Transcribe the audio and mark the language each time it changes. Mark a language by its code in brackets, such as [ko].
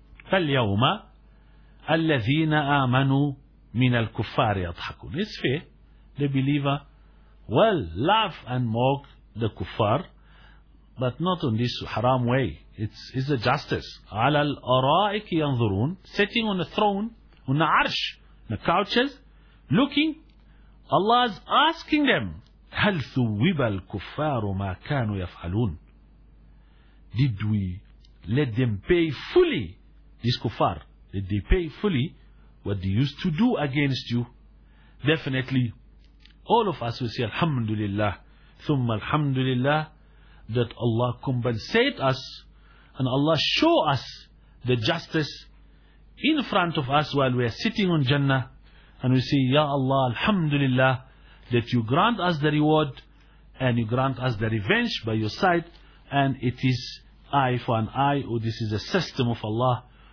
[ar] فَالْيَوْمَ الَّذِينَ آمَنُوا مِنَ الْكُفَّارِ يَضْحَكُونَ. [en] It's fair. The believer will laugh and mock the kuffar, but not in this haram way. It's a justice. [ar] عَلَى الْأَرَائِكِ يَنْظُرُونَ. [en] Sitting on the throne, on the arsh, on the couches, looking. Allah is asking them, [ar] هَلْ ثُوِّبَ الْكُفَّارُ مَا كَانُوا يَفْعَلُونَ. [en] Did we let them pay fully? This kuffar, did they pay fully what they used to do against you? Definitely, all of us will say Alhamdulillah, thumma Alhamdulillah, that Allah compensate us and Allah show us the justice in front of us while we are sitting on Jannah, and we say, Ya Allah, Alhamdulillah, that you grant us the reward and you grant us the revenge by your side, and it is eye for an eye, or this is a system of Allah.